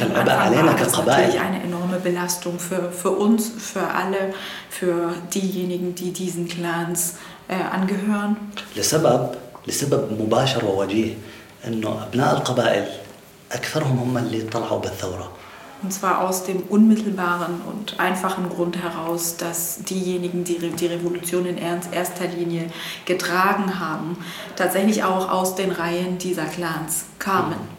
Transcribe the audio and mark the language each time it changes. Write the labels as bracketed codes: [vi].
[de] das war natürlich eine enorme Belastung für uns, für alle, für diejenigen, die diesen Clans angehören. [ar] لسبب مباشر ووجيه إنه أبناء القبائل أكثرهم هم اللي طلعوا بالثورة. [de] Und zwar aus dem unmittelbaren und einfachen Grund heraus, dass diejenigen, die die Revolution in erster Linie getragen haben, tatsächlich auch aus den Reihen dieser Clans kamen.